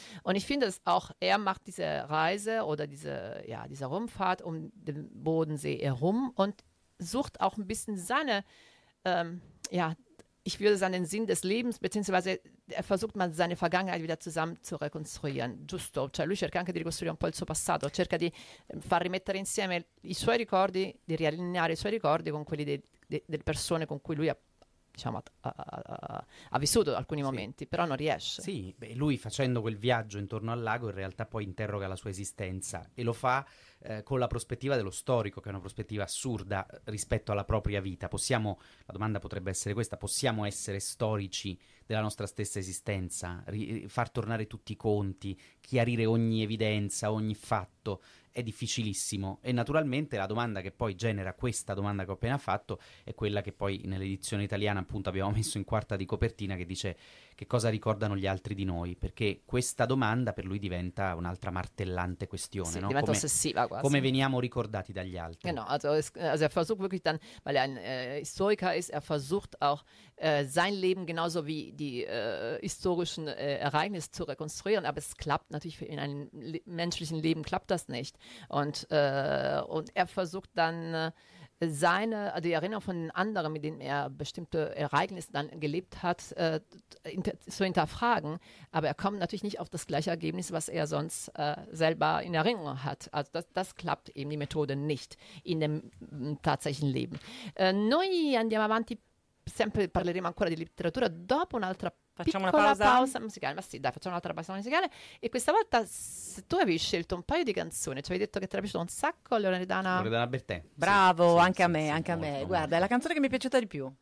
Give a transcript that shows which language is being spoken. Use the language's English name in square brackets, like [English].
[German] Und ich finde es auch, er macht diese Reise oder diese Rundfahrt um den Bodensee herum und sucht auch ein bisschen seine, ich würde sagen, den Sinn des Lebens, beziehungsweise er versucht mal seine Vergangenheit wieder zusammen zu rekonstruieren. [Italian] Giusto, cioè lui cerca anche di ricostruire un po' il suo passato, cerca di far rimettere insieme i suoi ricordi, di riallineare i suoi ricordi con quelli delle persone con cui lui ha vissuto alcuni momenti, però non riesce. Sì, beh, lui facendo quel viaggio intorno al lago in realtà poi interroga la sua esistenza, e lo fa con la prospettiva dello storico, che è una prospettiva assurda rispetto alla propria vita. La domanda potrebbe essere questa: possiamo essere storici della nostra stessa esistenza, far tornare tutti i conti, chiarire ogni evidenza, ogni fatto? è difficilissimo. E naturalmente la domanda che poi genera questa domanda che ho appena fatto è quella che poi nell'edizione italiana appunto abbiamo messo in quarta di copertina, che dice: che cosa ricordano gli altri di noi? Perché questa domanda per lui diventa un'altra martellante questione, sì, no? Diventa ossessiva quasi. Come veniamo ricordati dagli altri? [German] Genau, also er versucht wirklich dann, weil er ein Historiker ist, er versucht auch sein Leben genauso wie die historischen Ereignisse zu rekonstruieren, aber es klappt natürlich in einem menschlichen Leben klappt das nicht. Und er versucht dann seine, also die Erinnerung von anderen, mit denen er bestimmte Ereignisse dann gelebt hat, zu hinterfragen. Aber er kommt natürlich nicht auf das gleiche Ergebnis, was er sonst selber in Erinnerung hat. Also das klappt eben, die Methode nicht in dem tatsächlichen Leben. [Italian] Noi andiamo avanti, sempre parleremo ancora di letteratura dopo un'altra facciamo piccola una pausa musicale. Ma sì, dai, facciamo un'altra pausa musicale. E questa volta se tu avevi scelto un paio di canzoni, ci avevi detto che ti era piaciuto un sacco Loredana. Loredana Bertè. Bravo, sì, anche sì, a me, sì, anche sì, a me. Molto, guarda, molto. È la canzone che mi è piaciuta di più.